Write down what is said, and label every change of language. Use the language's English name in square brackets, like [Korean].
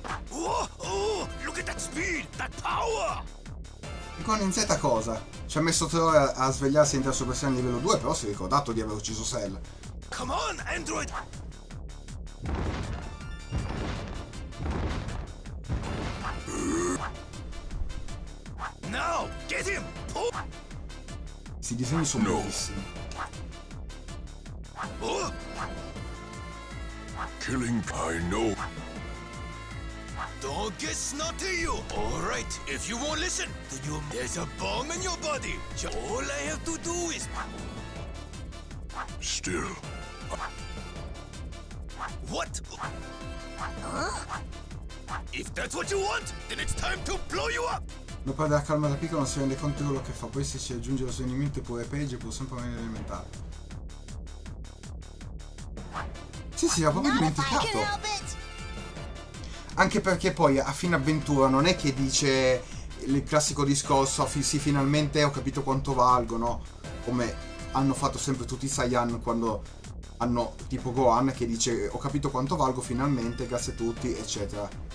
[English] Oh, oh, look at that speed, that power! [Italian] E con in Z cosa? Ci ha messo 3 ore a svegliarsi in Super Saiyan livello 2, però si è ricordato di aver ucciso Cell. [English] Come on, Android! Get him! Pull! [Italian] Si disegni su bellissimi. [English] Killing Kai, no! Dog is not to you! Alright, if you won't listen, then you... There's a bomb in your body! All I have to do is... Still... What? Huh? If that's what you want, then it's time to blow you up! [Italian] Non perde la calma da piccolo, non si rende conto di quello che fa. Poi se ci aggiunge lo svenimento può è peggio, può sempre venire elementare. Sì, sì, l'ho proprio dimenticato. Anche perché poi a fine avventura non è che dice il classico discorso, sì, finalmente ho capito quanto valgono, come hanno fatto sempre tutti i Saiyan quando hanno tipo Gohan che dice ho capito quanto valgo finalmente, grazie a tutti, eccetera.